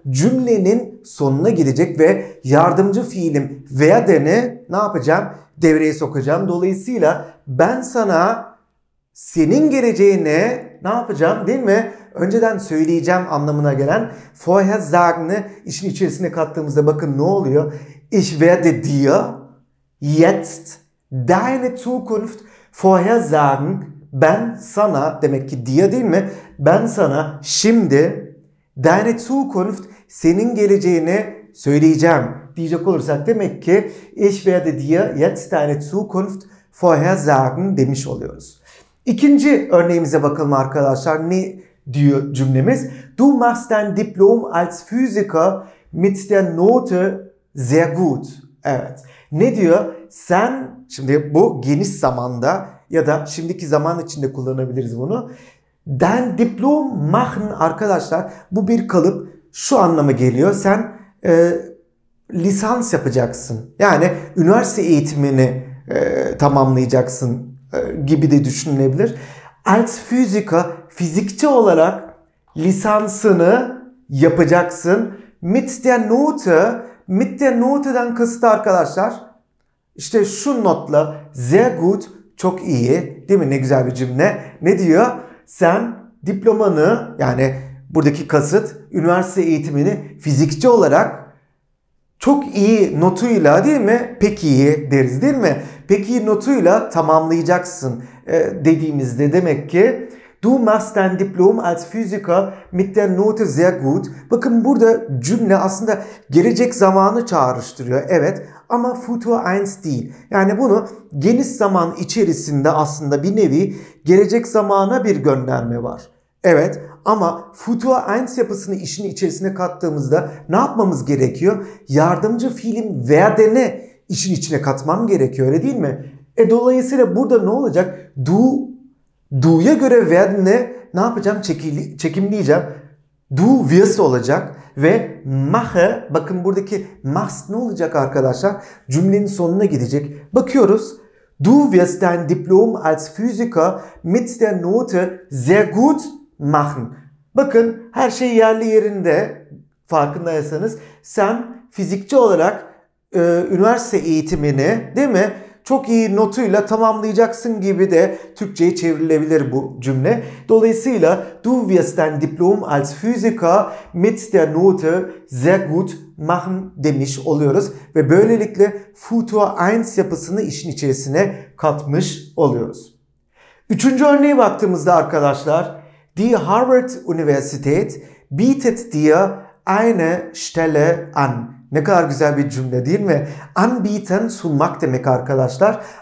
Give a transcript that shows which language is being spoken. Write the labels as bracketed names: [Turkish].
[Turkish] Cümlenin sonuna gidecek ve yardımcı fiilim werden'i ne yapacağım? Devreye sokacağım. Dolayısıyla ben sana senin geleceğini ne yapacağım değil mi? Önceden söyleyeceğim anlamına gelen [German] vorher sagen'i [Turkish] işin içerisine kattığımızda bakın ne oluyor? [German] Ich werde dir jetzt deine Zukunft vorher sagen, [Turkish] ben sana, demek ki [German] dir [Turkish] değil mi? Ben sana şimdi [German] deine Zukunft, [Turkish] senin geleceğini söyleyeceğim diyecek olursak demek ki [German] ich werde dir jetzt deine Zukunft vorher sagen [Turkish] demiş oluyoruz. İkinci örneğimize bakalım arkadaşlar. Ne diyor cümlemiz? [German] Du machst dein Diplom als Physiker mit der Note sehr gut. [Turkish] Evet. Ne diyor? Sen, şimdi bu geniş zamanda ya da şimdiki zaman içinde kullanabiliriz bunu. [German] Dein Diplom machen [Turkish] arkadaşlar bu bir kalıp şu anlama geliyor. Sen lisans yapacaksın. Yani üniversite eğitimini tamamlayacaksın gibi de düşünülebilir. [German] Als Physiker, [Turkish] fizikçi olarak lisansını yapacaksın. [German] Mit der Note, mit der Note'dan [Turkish] kısıt arkadaşlar. İşte şu notla [German] sehr gut, [Turkish] çok iyi değil mi? Ne güzel bir cümle. Ne diyor? Sen diplomanı, yani buradaki kasıt üniversite eğitimini fizikçi olarak çok iyi notuyla değil mi? Peki iyi deriz değil mi? Peki iyi notuyla tamamlayacaksın dediğimizde demek ki [German] Du machst dein Diplom als Physiker mit der Note sehr gut. [Turkish] Bakın burada cümle aslında gelecek zamanı çağrıştırıyor. Evet ama Futur 1 değil. Yani bunu geniş zaman içerisinde aslında bir nevi gelecek zamana bir gönderme var. Evet ama Futur 1 yapısını işin içerisine kattığımızda ne yapmamız gerekiyor? Yardımcı fiilim werden'i işin içine katmam gerekiyor öyle değil mi? Dolayısıyla burada ne olacak? Du Do'ya göre werden'e ne yapacağım? Çekimleyeceğim. [German] Du wirst [Turkish] olacak ve [German] mache, [Turkish] bakın buradaki [German] machst [Turkish] ne olacak arkadaşlar? Cümlenin sonuna gidecek. Bakıyoruz. [German] Du wirst dein Diplom als Physiker mit der Note sehr gut machen. [Turkish] Bakın her şey yerli yerinde, farkındaysanız. Sen fizikçi olarak üniversite eğitimini, değil mi, çok iyi notuyla tamamlayacaksın gibi de Türkçe'ye çevrilebilir bu cümle. Dolayısıyla [German] du wirst dein Diplom als Physiker mit der Note sehr gut machen [Turkish] demiş oluyoruz. Ve böylelikle Futur 1 yapısını işin içerisine katmış oluyoruz. Üçüncü örneğe baktığımızda arkadaşlar, [German] die Harvard Universität bietet dir eine Stelle an. [Turkish] Ne kadar güzel bir cümle değil mi? Anbieten sunmak demek arkadaşlar.